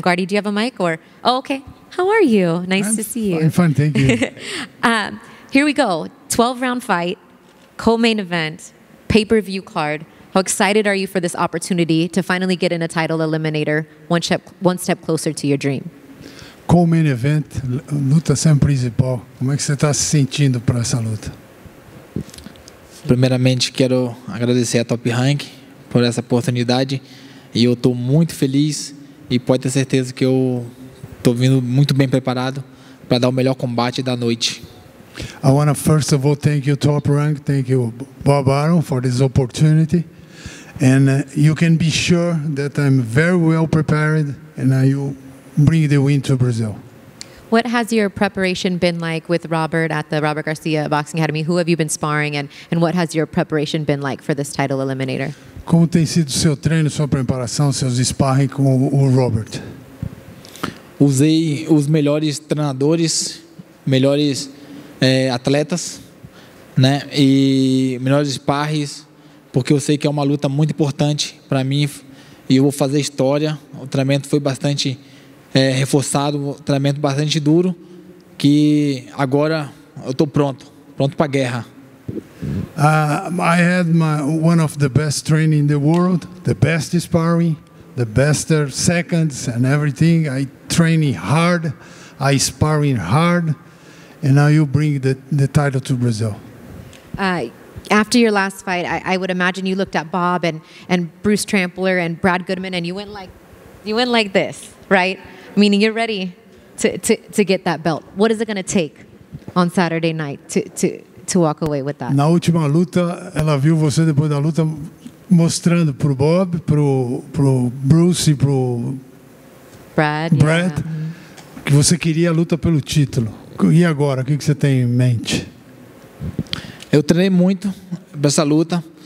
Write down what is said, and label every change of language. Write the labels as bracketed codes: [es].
[en] Guardi, do you have a mic? Oh, okay. How are you? Nice to see you. I'm fine, thank you. here we go. 12-round fight, co-main event, pay-per-view card. How excited are you for this opportunity to finally get in a title eliminator one step closer to your dream? Co-main event, [pt] luta sem principal. Como é que você está se sentindo para essa luta? Primeiramente, quero agradecer a Top Rank por essa oportunidade e eu estou muito feliz e pode ter certeza que eu estou vindo muito bem preparado para dar o melhor combate da noite. [en] I want to first of all thank you Top Rank, thank you Bob Arum for this opportunity and you can be sure that I'm very well prepared and I will bring the win to Brazil. What has your preparation been like with Robert at the Robert Garcia Boxing Academy? Who have you been sparring and what has your preparation been like for this title eliminator? [pt] Como tem sido seu treino, sua preparação, seus sparring com o Robert? Usei os melhores treinadores, melhores atletas, né? E melhores sparrings, porque eu sei que é uma luta muito importante para mim e eu vou fazer história. O treinamento foi bastante reforçado, treinamento bastante duro, que agora eu estou pronto para a guerra. [en] I had one of the best training in the world, the best sparring, the best seconds and everything. I training hard, I sparring hard, and now you bring the title to Brazil. After your last fight, I would imagine you looked at Bob and Bruce Trampler and Brad Goodman, and you went like this, right? Meaning you're ready to get that belt. What is it going to take on Saturday night to walk away with that? [pt] Na última luta, ela viu você depois da luta mostrando pro Bob, pro Bruce e pro Brad, que você queria a luta pelo título. E agora, o que você tem em mente? Eu treinei muito para essa luta.